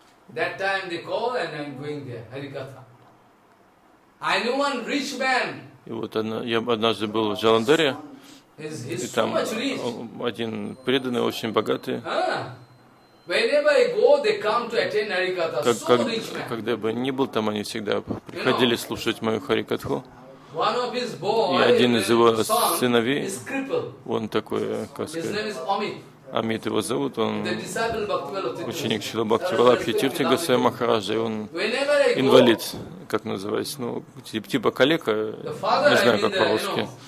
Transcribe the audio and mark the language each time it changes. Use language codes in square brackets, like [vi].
[en] That time they call and I'm going there. Harikatha. I knew one rich man. [ru] И вот я однажды был в Джаландаре. И там один преданный, очень богатый. [en] Whenever I go, they come to attend Harikatha. Как, so rich man. [ru] Когда бы ни был там, они всегда приходили слушать мою Харикатху. [en] One of his boys. [ru] И один из его сыновей. [en] Is crippled. [ru] Он такой, как сказать. [en] His name is Amit. [ru] Амит его зовут, он ученик Шрилы Бхактивелапхи Тирти Госвами Махараджа, и он инвалид, как называется, ну, типа калека, не знаю, как по-русски.